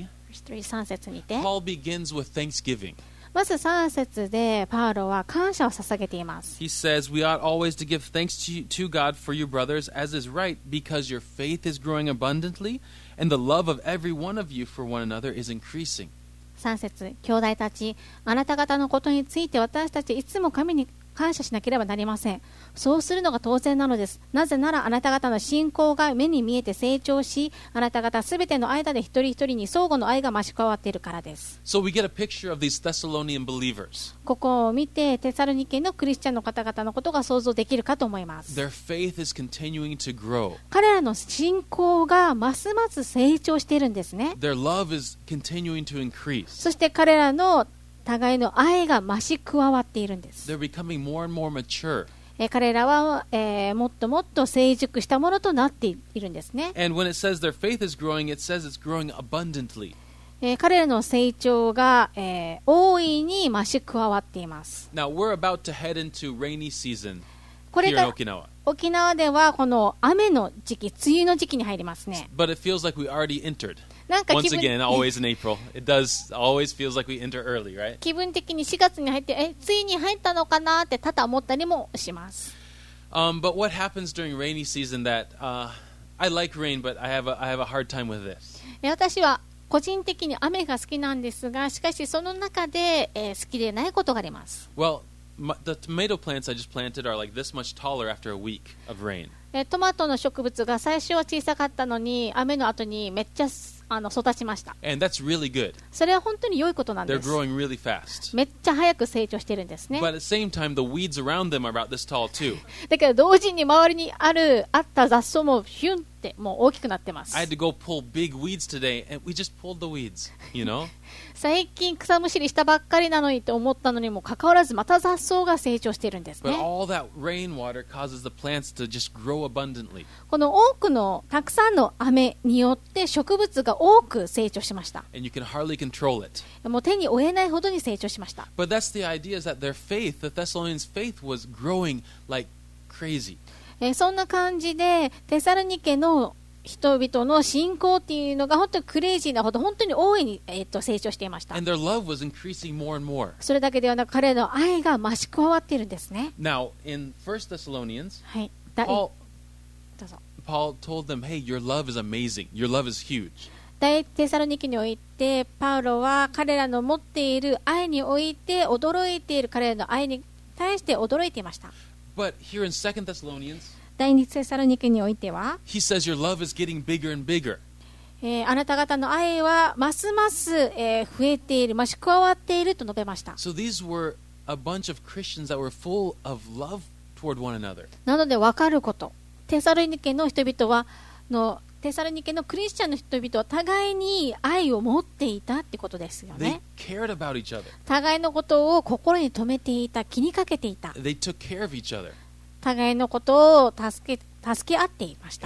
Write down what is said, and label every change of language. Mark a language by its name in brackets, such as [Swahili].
[Japanese] 3節にて、 [English] Paul begins with thanksgiving. [Japanese] まず3節でパウロは感謝を捧げています。 [English] He says, "We ought always to give thanks to God for you, brothers, as is right, because your faith is growing abundantly, and the love of every one of you for one another is increasing." [Japanese] 3節、兄弟たち、あなた方のことについて私たちいつも神に感謝しなければなりません。そうするのが当然なのです。なぜならあなた方の信仰が目に見えて成長し、あなた方すべての間で一人一人に相互の愛が増し加わっているからです。 [English] So we get a picture of these Thessalonian believers. [Japanese] ここを見てテサロニケのクリスチャンの方々のことが想像できるかと思います。 [English] Their faith is continuing to grow. [Japanese] 彼らの信仰がますます成長しているんですね。 [English] Their love is continuing to increase. [Japanese] そして彼らの互いの愛が増し加わっているんです。 [English] They're becoming more and more mature. [Japanese] 彼らは、もっともっと成熟したものとなっているんですね。 [English] And when it says their faith is growing, it says it's growing abundantly. [Japanese] 彼らの成長が、大いに増し加わっています。 [English] Now we're about to head into rainy season. [Japanese] これが [English] here in Okinawa. [Japanese] 沖縄ではこの雨の時期、梅雨の時期に入りますね。 [English] But it feels like we already entered. Once again, always in April. It does always feels like we enter early, right? [Japanese] 気分的に4月に入って、ついに入ったのかなって多々思ったりもします。 [English] But what happens during rainy season that, I like rain, but I have a hard time with this. [Japanese] 私は個人的に雨が好きなんですが、しかしその中で、好きでないことがあります。 [English] Well, the tomato plants I just planted are like this much taller after a week of rain. [Japanese] トマトの植物が最初は小さかったのに、雨の後にめっちゃ育ちました。 [English] And that's really good. [Japanese] それは本当に良いことなんです。 [English] They're growing really fast. [Japanese] めっちゃ早く成長してるんですね。 [English] But at the same time, the weeds around them are about this tall too. [Japanese] だから同時に周りにあった雑草もヒュンってもう大きくなってます。 [English] I had to go pull big weeds today, and we just pulled the weeds, you know? [Japanese] 最近草むしりしたばっかりなのにと思ったのにもかかわらずまた雑草が成長しているんですね。 [English] But all that rainwater causes the plants to just grow abundantly. [Japanese] この多くのたくさんの雨によって植物が多く成長しました。 [English] And you can hardly control it. [Japanese] もう手に負えないほどに成長しました。 [English] But that's the idea is that their faith, the Thessalonians' faith was growing like crazy. [Japanese] そんな感じでテサロニケの人々の信仰っていうのが本当にクレイジーなほど本当に大いに成長していました。 [English] And their love was increasing more and more. [Japanese] それだけではなく彼の愛が増し加わっているんですね。 [English] Now, in 1 Thessalonians, Paul told them, hey, your love is amazing. Your love is huge. [Japanese] 第一テサロニケにおいて、パウロは彼らの持っている愛において驚いている彼らの愛に対して驚いていました。 [English] But here in 2 Thessalonians, [Japanese] 第2テサロニケにおいては [English] He says your love is getting bigger and bigger. [Japanese] あなた方の愛はますます、増えている増し加わっていると述べました。 [English] So these were a bunch of Christians that were full of love toward one another. [Japanese] なので分かることテサロニケの人々はのテサロニケのクリスチャンの人々は互いに愛を持っていたってことですよね。 [English] They cared about each other. [Japanese] 互いのことを心に留めていた気にかけていた [English] They took care of each other. [Japanese] 互いのことを助け合っていました。